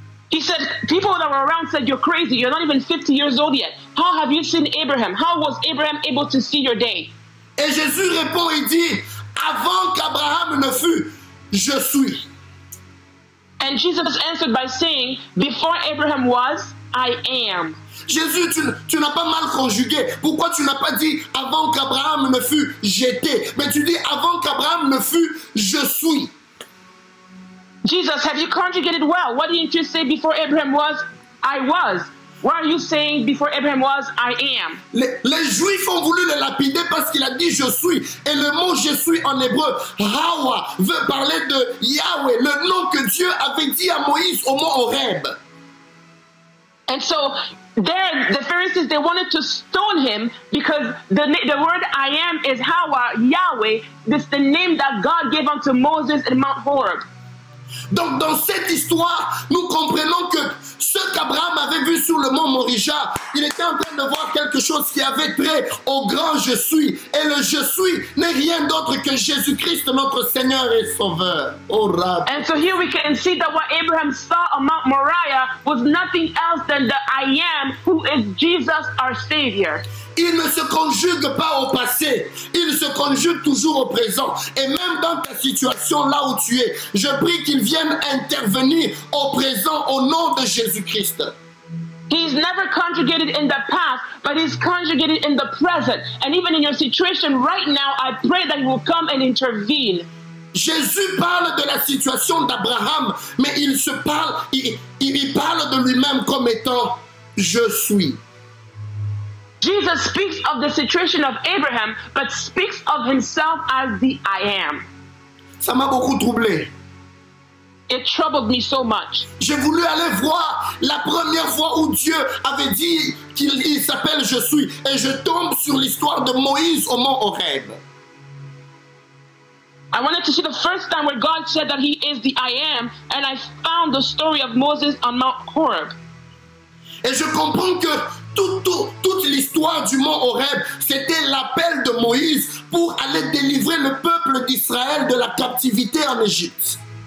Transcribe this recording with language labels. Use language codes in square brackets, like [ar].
[en] He said, people that were around said, you're crazy. You're not even 50 years old yet. How have you seen Abraham? How was Abraham able to see your day? [fr] Et Jésus répond et dit, avant qu'Abraham ne fût, je suis. [en] And Jesus answered by saying, before Abraham was, I am. [fr] Jésus, tu n'as pas mal conjugué. Pourquoi tu n'as pas dit avant qu'Abraham ne fût, j'étais? Mais tu dis avant qu'Abraham ne fût, je suis. [en] Jesus, have you conjugated well? Why didn't you say before Abraham was, I was? Why are you saying before Abraham was, I am? [fr] Les Juifs ont voulu le lapider parce qu'il a dit je suis. Et le mot je suis en hébreu, Hawa, veut parler de Yahweh, le nom que Dieu avait dit à Moïse au mont Horeb. [en] And so there, the Pharisees, they wanted to stone him because the word I am is Hawa, Yahweh. This the name that God gave unto Moses at Mount Horeb. [fr] Donc dans cette histoire, nous comprenons que ce qu'Abraham avait vu sur le mont Morija, il était en train de voir quelque chose qui avait trait au grand je suis. Et le je suis n'est rien d'autre que Jésus-Christ, notre Seigneur et Sauveur. Oh, Rab. [en] And so here we can see that what Abraham saw on Mount Moriah was nothing else than the I am, who is Jesus, our Savior. [fr] Il ne se conjugue pas au passé, il se conjugue toujours au présent. Et même dans ta situation là où tu es, je prie qu'il vienne intervenir au présent au nom de Jésus-Christ. [en] He's never conjugated in the past, but he's conjugated in the present. And even in your situation right now, I pray that he will come and intervene. [fr] Jésus parle de la situation d'Abraham, mais il se parle, il parle de lui-même comme étant « Je suis ». [en] Jesus speaks of the situation of Abraham, but speaks of himself as the I am. [fr] Ça m'a beaucoup troublé. [en] It troubled me so much. [fr] J'ai voulu aller voir la première fois où Dieu avait dit qu'il s'appelle Je suis, et je tombe sur l'histoire de Moïse au mont Horeb. [en] I wanted to see the first time where God said that he is the I am, and I found the story of Moses on Mount Horeb. [fr] Et je comprends que toute l'histoire du mont Horeb, c'était l'appel de Moïse pour aller délivrer le peuple d'Israël de la captivité en Égypte.